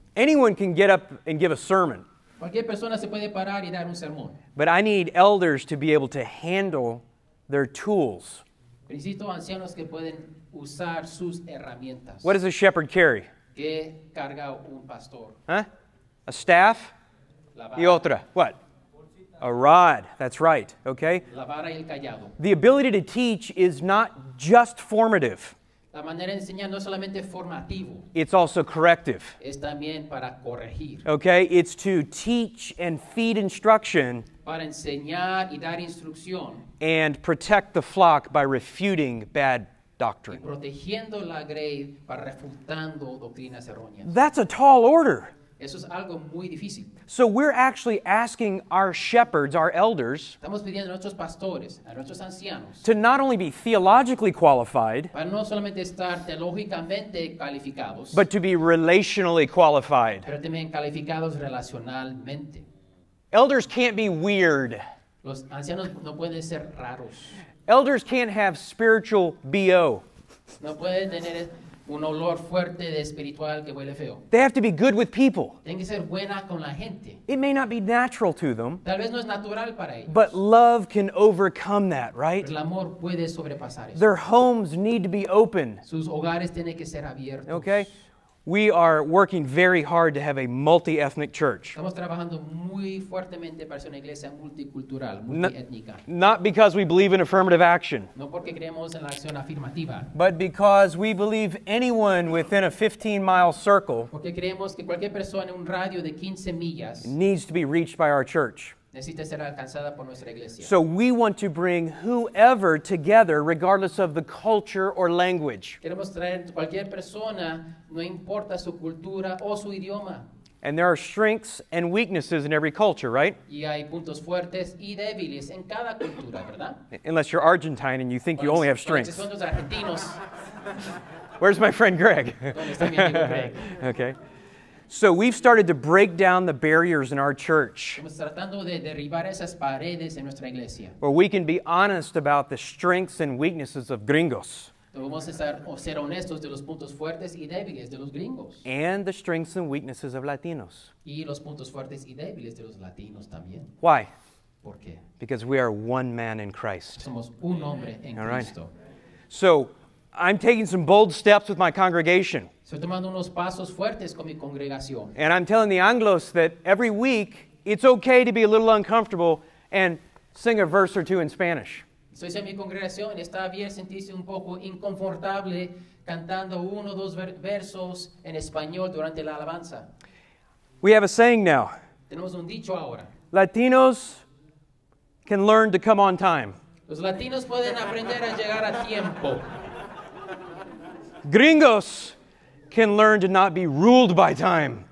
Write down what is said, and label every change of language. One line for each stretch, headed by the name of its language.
English: Anyone can get up and give a sermon.
Spanish: Cualquier persona se puede parar y dar un sermón.
English: But I need elders to be able to handle their tools.
Spanish: Necesito ancianos que pueden usar sus herramientas.
English: What does a shepherd carry?
Spanish: ¿Qué carga un pastor?
English: Huh? A staff?
Spanish: La vara. Y otra.
English: What? A rod. That's right. Okay?
Spanish: La vara y el callado.
English: The ability to teach is not just formative.
Spanish: La manera de enseñar no es solamente formativo.
English: It's also corrective.
Spanish: Es también para corregir.
English: Okay? It's to teach and feed instruction.
Spanish: Para enseñar y dar instrucción.
English: And protect the flock by refuting bad doctrine.
Spanish: Y protegiendo la grey para refutando doctrinas erróneas.
English: That's a tall order.
Spanish: Eso es algo muy difícil.
English: So we're actually asking our shepherds, our elders,
Spanish: estamos pidiendo a nuestros pastores, a nuestros ancianos,
English: to not only be theologically qualified,
Spanish: para no solamente estar teológicamente calificados,
English: but to be relationally qualified.
Spanish: Pero también calificados relacionalmente.
English: Elders can't be weird.
Spanish: Los ancianos no pueden ser raros.
English: Elders can't have spiritual BO.
Spanish: No pueden tener un olor fuerte de espiritual que huele feo.
English: They have to be good with people.
Spanish: Tienen que ser buena con la gente.
English: It may not be natural to them.
Spanish: Tal vez no es natural para ellos.
English: But love can overcome that, right?
Spanish: El amor puede sobrepasar eso.
English: Their homes need to be open.
Spanish: Sus hogares tienen que ser abiertos.
English: Okay? We are working very hard to have a multi-ethnic church.
Spanish: Estamos trabajando muy fuertemente para ser una iglesia multicultural, multiétnica.
English: Not because we believe in affirmative action.
Spanish: No porque creemos en la acción afirmativa.
English: But because we believe anyone within a 15-mile circle
Spanish: porque creemos que cualquier persona en un radio de 15 millas
English: needs to be reached by our church.
Spanish: necesita ser alcanzada por nuestra iglesia.
English: So we want to bring whoever together, regardless of the culture or language.
Spanish: Queremos traer cualquier persona, no importa su cultura o su idioma.
English: And there are strengths and weaknesses in every culture, right?
Spanish: Y hay puntos fuertes y débiles en cada cultura, ¿verdad?
English: Unless you're Argentine and you think you only have strengths.
Spanish: Son los argentinos.
English: Where's my friend Greg?
Spanish: ¿Dónde está mi amigo Greg?
English: Okay. So we've started to break down the barriers in our church.
Spanish: Estamos tratando de derribar esas paredes en nuestra iglesia.
English: Where we can be honest about the strengths and weaknesses of gringos.
Spanish: Vamos a estar, o ser honestos de los puntos fuertes y débiles de los gringos.
English: And the strengths and weaknesses of Latinos.
Spanish: Y los puntos fuertes y débiles de los latinos también.
English: Why?
Spanish: ¿Por qué?
English: Because we are one man in Christ.
Spanish: Somos un hombre en
English: All
Spanish: Cristo.
English: Right. So I'm taking some bold steps with my congregation.
Spanish: Estoy tomando unos pasos fuertes con mi congregación.
English: And I'm telling the Anglos that every week it's okay to be a little uncomfortable and sing a verse or two in Spanish.
Spanish: Soy en mi congregación, está bien sentirse un poco inconfortable cantando uno o dos versos en español durante la alabanza.
English: We have a saying now.
Spanish: Tenemos un dicho ahora.
English: Latinos can learn to come on time.
Spanish: Los latinos pueden aprender a llegar a tiempo.
English: Gringos can learn to not be ruled by time.